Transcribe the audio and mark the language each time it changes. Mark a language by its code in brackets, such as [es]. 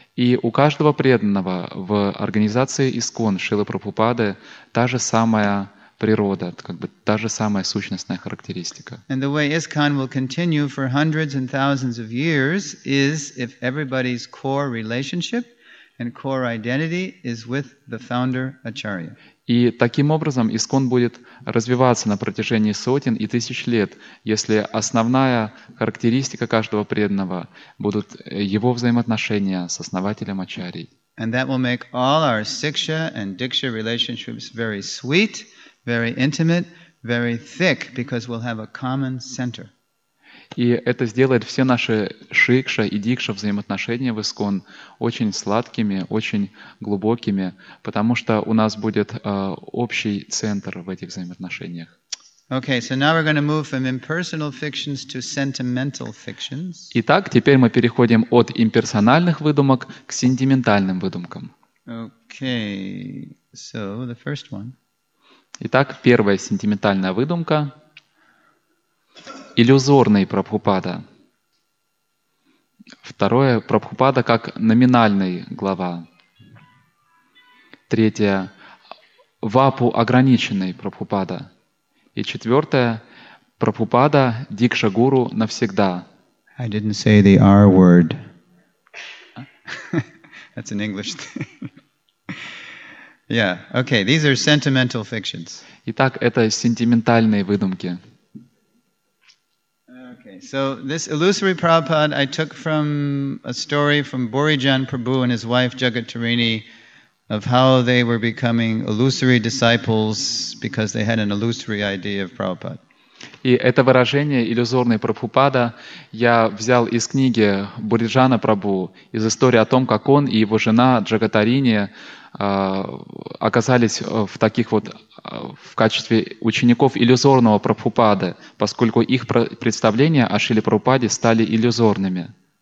[ru] И у каждого преданного в организации ИСККОН Шрилы Прабхупады та же самая природа, как бы та же самая сущностная характеристика. [en] And the way ISKCON will continue for hundreds and thousands of years is if everybody's core relationship and core identity is with the founder Acharya. [ru] И таким образом ИСККОН будет развиваться на протяжении сотен и тысяч лет, если основная характеристика каждого преданного будут его взаимоотношения с основателем Ачарьи. [en] And that will make all our Siksha and Diksha relationships very sweet, very intimate, very thick, because we'll have a common center. [ru] И это сделает все наши шикша и дикша взаимоотношения в ИСККОН очень сладкими, очень глубокими, потому что у нас будет общий центр в этих взаимоотношениях. [en] Okay, so now we're going to move from impersonal fictions to sentimental fictions. [ru] Итак, теперь мы переходим от имперсональных выдумок к сентиментальным выдумкам. [en] Okay, so the first one. [ru] Итак, первая сентиментальная выдумка. Иллюзорный Прабхупада. Второе, Прабхупада как номинальный глава. Третье, вапу ограниченный Прабхупада. И четвертое, Прабхупада дикша гуру навсегда. [en] I didn't say the R word. That's an English thing. Yeah, okay, these are sentimental fictions. [ru] Итак, это сентиментальные выдумки. [en] Okay, so this illusory Prabhupada I took from a story from Borijan Prabhu and his wife Jagatarini of how they were becoming illusory disciples because they had an illusory idea of Prabhupada. [ru] И это выражение «иллюзорный Прабхупада» я взял из книги Бориджана Прабху, из истории о том, как он и его жена Джагатарини оказались в таких вот в качестве учеников иллюзорного Прабхупады, поскольку их представления о Шриле Прабхупаде стали иллюзорными.